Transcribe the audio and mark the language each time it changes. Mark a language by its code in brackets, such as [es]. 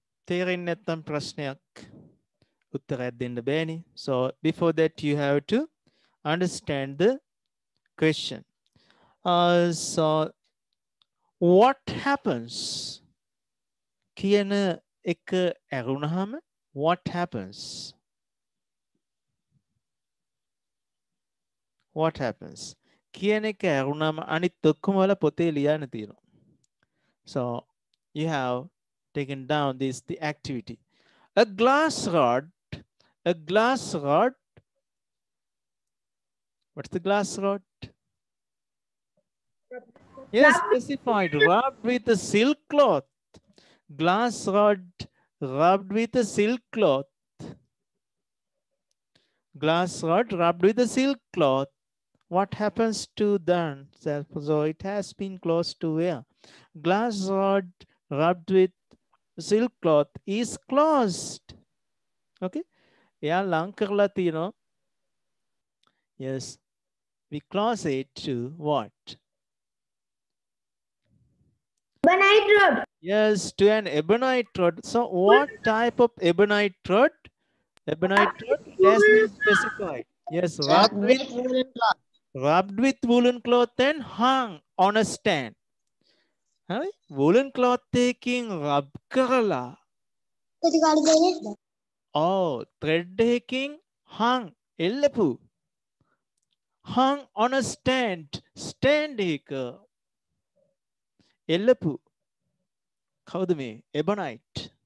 [si] තේරෙන්නේ නැත්නම් ප්‍රශ්නයක් උත්තරයක් දෙන්න බෑනේ. [en] So before that, you have to understand the question. So what happens? [si] කියන එක ඇරුණාම [en] what happens? What happens? [si] කියන එක ඇරුණම අනිත් ඔක්කොම වල පොතේ ලියන්න තියෙනවා. [en] So you have taken down this the activity. A glass rod. What's the glass rod? Yes, specified. Rubbed with a silk cloth. Glass rod rubbed with a silk cloth. Glass rod rubbed with a silk cloth. What happens to them? So it has been close to where? Glass rod rubbed with silk cloth is closed. Okay. Yeah, lankar latino. Yes. We close it to what? Ebonite rod. Yes, to an ebonite rod. So what type of ebonite rod? Ebonite rod has been specified. Yes, rubbed with woolen cloth and hung on a stand. [si] හරි වුලන් cloth එකකින් rub කරලා කටි කාලේ දෙන්නේ thread එකකින් hung එල්ලපු [en] hung on a stand [si] එක එල්ලපු කවුද මේ ebonite